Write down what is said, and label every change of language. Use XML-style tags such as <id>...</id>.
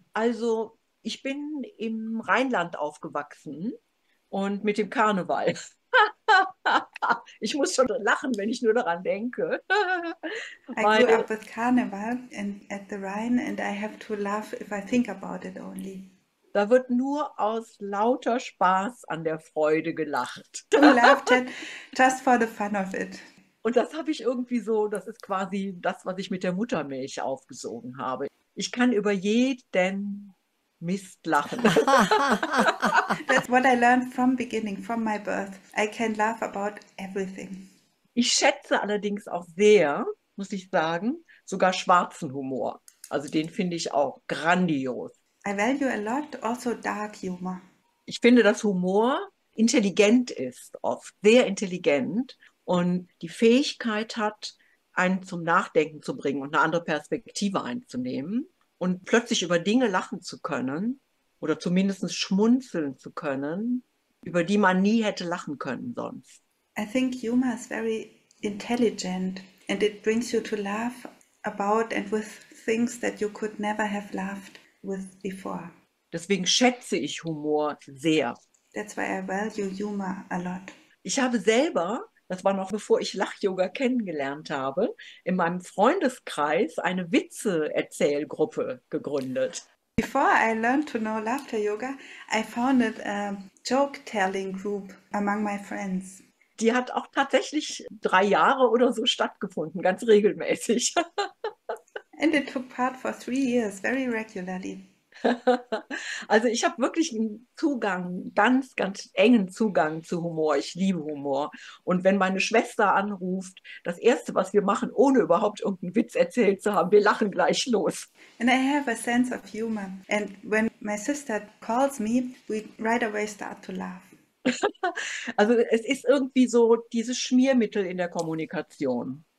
<de>Also, ich bin im Rheinland aufgewachsen und mit dem Karneval. Ich muss schon lachen, wenn ich nur daran denke.</de> <en>I grew up with Karneval and at the Rhine and I have to laugh if I think about it only.</en> <de>Da wird nur aus lauter Spaß an der Freude gelacht.</de> <en>Who laughed it just for the fun of it.</en> <de>Und das habe ich irgendwie so, das ist quasi das, was ich mit der Muttermilch aufgesogen habe. Ich kann über jeden Mist lachen.</de> <en>That's what I learned from beginning, from my birth. I can laugh about everything.</en> <de>Ich schätze allerdings auch sehr, muss ich sagen, sogar schwarzen Humor. Also den finde ich auch grandios.</de> <en>I value a lot also dark humor.</en> <de>Ich finde, dass Humor intelligent ist, oft sehr intelligent und die Fähigkeit hat, einen zum Nachdenken zu bringen und eine andere Perspektive einzunehmen und plötzlich über Dinge lachen zu können oder zumindest schmunzeln zu können, über die man nie hätte lachen können sonst.</de> <en>I think humor is very intelligent and it brings you to laugh about and with things that you could never have laughed with before.</en> <de>Deswegen schätze ich Humor sehr.</de> <en>That's why I value humor a lot.</en> <de>Ich habe selber, das war noch bevor ich Lachyoga kennengelernt habe, in meinem Freundeskreis eine Witze-Erzählgruppe gegründet.</de> <en>Before I learned to know laughter yoga, I founded a joke-telling group among my friends.</en> <de>Die hat auch tatsächlich 3 Jahre oder so stattgefunden, ganz regelmäßig.</de> <en>And it took part for 3 years, very regularly.</en> <de>Also ich habe wirklich einen Zugang, ganz, ganz engen Zugang zu Humor. Ich liebe Humor. Und wenn meine Schwester anruft, das Erste, was wir machen, ohne überhaupt irgendeinen Witz erzählt zu haben, wir lachen gleich los.</de> <en>And I have a sense of humor. And when my sister calls me, we right away start to laugh.</en> <de>Also es ist irgendwie so dieses Schmiermittel in der Kommunikation.</de>